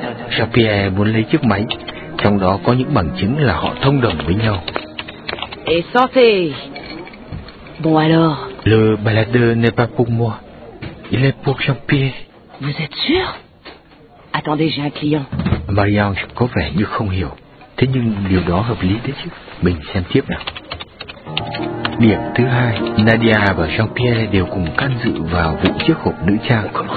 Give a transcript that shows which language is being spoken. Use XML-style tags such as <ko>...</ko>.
<vi>Jean-Pierre muốn lấy chiếc máy, trong đó có những bằng chứng là họ thông đồng với nhau.</vi> <fr>Et santé. Bon alors. Le baladeur n'est pas pour moi, il est pour Jean-Pierre. Vous êtes sûr? Attendez, j'ai un client.</fr> <vi>Marie-Ange có vẻ như không hiểu. Thế nhưng điều đó hợp lý đấy chứ. Mình xem tiếp nào. Điểm thứ hai, Nadia và Jean-Pierre đều cùng can dự vào vụ chiếc hộp nữ trang.</vi>